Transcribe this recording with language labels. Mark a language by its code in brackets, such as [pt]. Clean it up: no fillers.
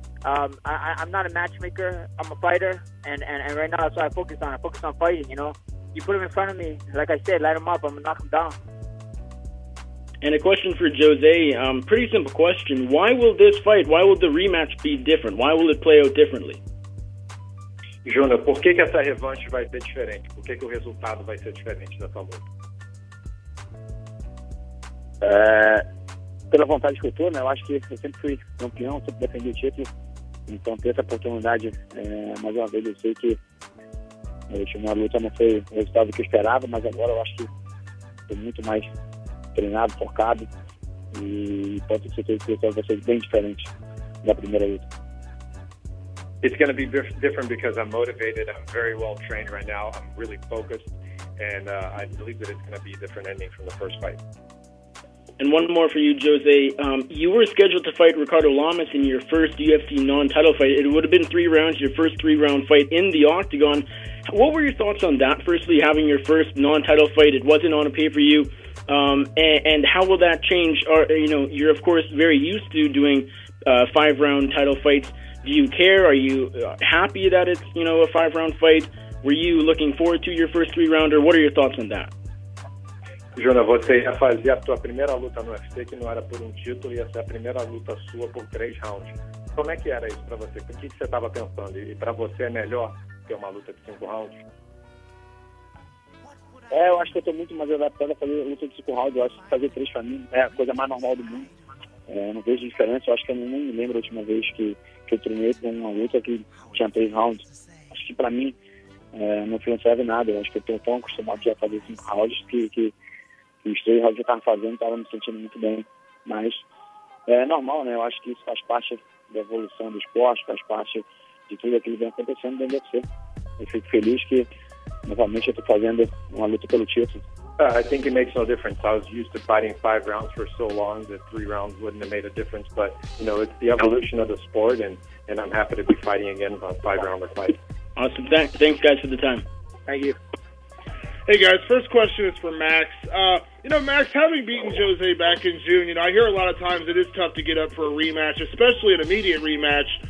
[en] I'm not a matchmaker. I'm a fighter. And right now, that's what I focus on. I focus on fighting, you know. You put him in front of me, like I said, light him up. I'm going to knock him down. And a question for Jose, pretty simple question. Why will this fight, why will the rematch be different? Why will it play out differently? [pt] Júnior, por que essa revanche vai ser diferente? Por que o resultado vai ser diferente dessa luta? Pela vontade que eu tô, né? Eu acho que eu sempre fui campeão, sempre defendi o título. Então, ter essa oportunidade, mais uma vez, eu sei que a última luta não foi o resultado que eu esperava, mas agora eu acho que estou muito mais treinado, focado, e pode ser que o resultado vai ser bem diferente da primeira luta. [en] It's going to be different because I'm motivated. I'm very well trained right now. I'm really focused. And I believe that it's going to be a different ending from the first fight. And one more for you, Jose. You were scheduled to fight Ricardo Lamas in your first UFC non-title fight. It would have been three rounds, your first three-round fight in the octagon. What were your thoughts on that? Firstly, having your first non-title fight, it wasn't on a pay-per-view. And how will that change? You know, you're, of course, very used to doing five-round title fights. Do you care? Are you happy that it's, you know, a five-round fight? Were you looking forward to your first three-rounder? What are your thoughts on that? [pt] Júnior, você ia fazer a tua primeira luta no UFC, que não era por título, ia ser a primeira luta sua por três rounds. Como é que era isso para você? O que você estava pensando? E para você é melhor ter uma luta de cinco rounds? Eu acho que eu estou muito mais adaptado a fazer luta de cinco rounds. Eu acho que fazer três para mim é a coisa mais normal do mundo. Não vejo diferença. Eu acho que eu não me lembro a última vez que eu treinei com uma luta que tinha três rounds. Acho que para mim não foi, não serve nada. Eu acho que eu estou tão acostumado a fazer cinco rounds que os três rounds que eu estava fazendo estava me sentindo muito bem. Mas é normal, né? Eu acho que isso faz parte da evolução do esporte, faz parte de tudo aquilo que vem acontecendo dentro do UFC. Eu fico feliz que novamente eu estou fazendo uma luta pelo título. [en] I think it makes no difference. I was used to fighting five rounds for so long that three rounds wouldn't have made a difference. But, you know, it's the evolution of the sport, and I'm happy to be fighting again about five-rounder fight. Awesome. Thanks, guys, for the time. Thank you. Hey, guys, first question is for Max. You know, Max, having beaten Jose back in June, you know, I hear a lot of times it is tough to get up for a rematch, especially an immediate rematch.